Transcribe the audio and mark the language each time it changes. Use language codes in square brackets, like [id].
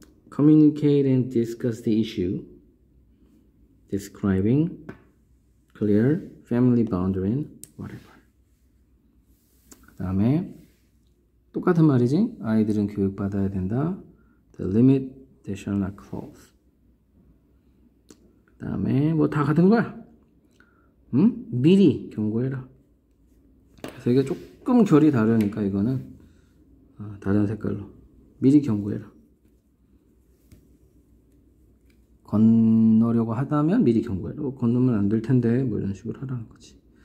[en] communicate and discuss the issue. describing clear family boundary and whatever. [ko] 그다음에 똑같은 말이지. 아이들은 교육받아야 된다. [en] The limit they shall not cross. [ko] 그 다음에 뭐다 같은 거야. 응? 미리 경고해라. 그래서 이게 조금 결이 다르니까 이거는 다른 색깔로 미리 경고해라. 건너려고 하다면 미리 경고해라. 건너면 안될 텐데 뭐 이런 식으로 하라는 거지.